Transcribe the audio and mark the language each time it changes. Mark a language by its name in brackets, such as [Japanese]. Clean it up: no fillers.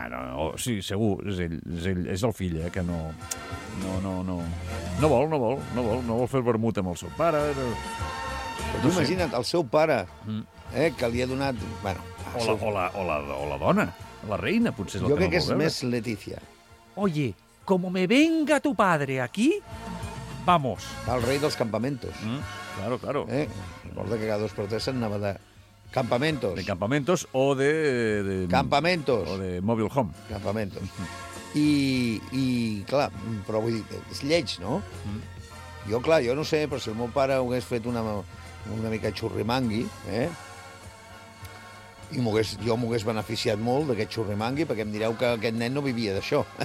[Catalan] No, sí, segur, és el fill, que no... No. No vol fer el vermut amb el seu pare. Tu imagina't, el seu pare, que li ha donat... Bueno, o la dona, la reina, potser és el que no vol veure. Jo crec que és més Letícia. [Spanish] Oye... Como me venga tu padre aquí, vamos. [Catalan] El rei dels campamentos. [Spanish] Mm, claro, claro. [Catalan] Recorda que cada dos per tres s'anava de campamentos. De campamentos o de... Campamentos. O de mobile home. Campamentos. I clar, però vull dir, és lleig, no? Mm. Jo, clar, jo no sé, però si el meu pare hagués fet una mica xurrimangui, i jo m'hagués beneficiat molt d'aquest xurrimangui, perquè em direu que aquest nen no vivia d'això.